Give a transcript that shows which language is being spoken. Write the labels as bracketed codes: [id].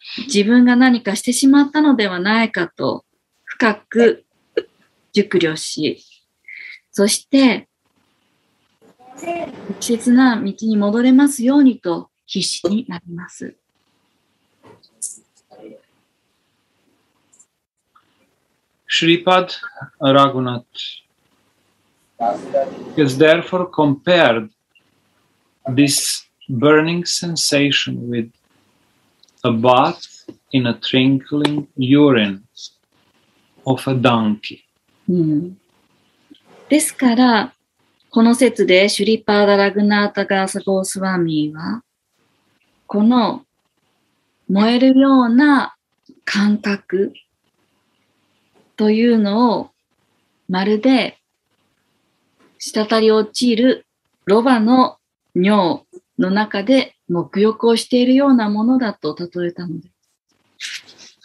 [ja] 自分が何かしてしまったのではないかと深く熟慮し、そして適切な道に戻れますようにと必死になります。 [en] Shripad Raghunath has therefore compared this burning sensation with a bath in a trickling urine of a donkey. [ja] ですから、この説でシュリパーダ・ラグナータ・ガーサ・ゴースワミーは、この燃えるような感覚というのをまるで滴り落ちるロバの尿の中で沐浴をしているようなものだと例えたのです